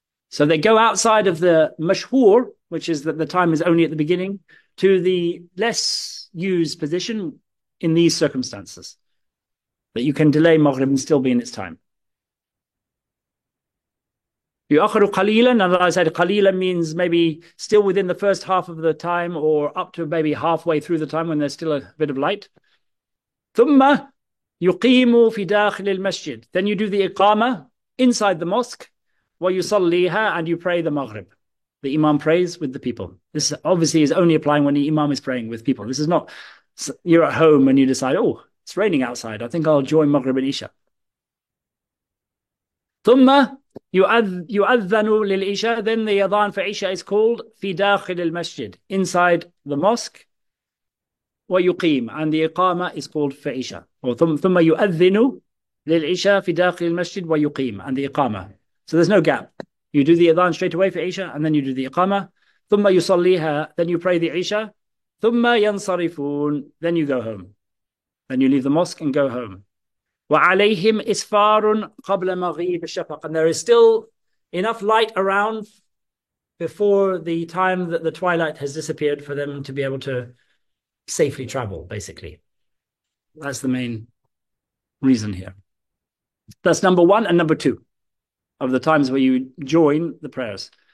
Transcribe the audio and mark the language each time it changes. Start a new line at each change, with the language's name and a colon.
English: So they go outside of the mashhur, which is that the time is only at the beginning, to the less used position in these circumstances, that you can delay Maghrib and still be in its time.
Arabic: Yu'akhiru qalilan,
English: and as I said, qalilan means maybe still within the first half of the time or up to maybe halfway through the time when there's still a bit of light.
Arabic: Thumma يقيم في داخل المسجد.
English: Then you do the iqama inside the mosque,
Arabic: ويصليها,
English: and you pray the maghrib. The imam prays with the people. This obviously is only applying when the imam is praying with people. This is not you're at home and you decide, oh, it's raining outside, I think I'll join Maghrib and Isha.
Arabic: ثم يؤذن للعشاء.
English: Then the adhan for Isha is called
Arabic: في داخل المسجد,
English: inside the mosque.
Arabic: ويقيم,
English: and the iqama is called for Isha.
Arabic: Or ثم يؤذن للعشاء في داخل المسجد ويقيم,
English: and the iqama. So there's no gap. You do the adhan straight away for Isha, and then you do the iqama.
Arabic: ثم يصليها,
English: then you pray the Isha.
Arabic: ثم ينصرفون,
English: then you go home. Then you leave the mosque and go home.
Arabic: وعليهم إسفار قبل مغيب الشفق.
English: And there is still enough light around before the time that the twilight has disappeared for them to be able to safely travel, basically. That's the main reason here. That's number one and number two of the times where you join the prayers.